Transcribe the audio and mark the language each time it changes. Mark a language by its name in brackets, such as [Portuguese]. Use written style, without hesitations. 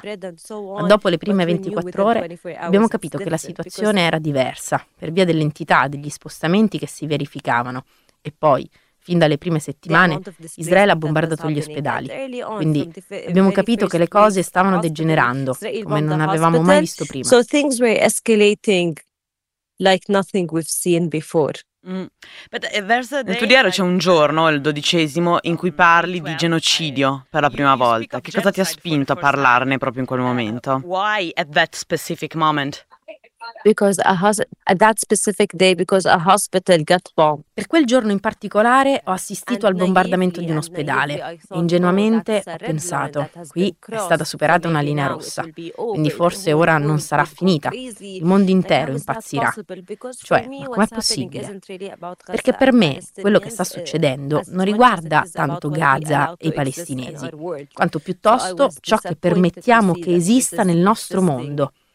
[Italian] Ma dopo le prime 24 ore abbiamo capito che la situazione era diversa, per via dell'entità degli spostamenti che si verificavano. E poi, fin dalle prime settimane, Israele ha bombardato gli ospedali. Quindi abbiamo capito che le cose stavano degenerando come non avevamo mai visto prima. [English] So things were escalating like nothing we've seen before. [Italian] Nel tuo diario c'è un giorno, il dodicesimo, in cui parli di genocidio per la prima volta. Che cosa ti ha spinto a parlarne proprio in quel momento? [English] Why at that specific moment? Because at that specific day, because a hospital got bombed. [Italian] Per quel giorno in particolare ho assistito al bombardamento di un ospedale. E ingenuamente ho pensato, qui è stata superata una linea rossa, quindi forse ora non sarà finita, il mondo intero impazzirà. Cioè, ma com'è possibile? Perché per me quello che sta succedendo non riguarda tanto Gaza e i palestinesi, quanto piuttosto ciò che permettiamo che esista nel nostro mondo.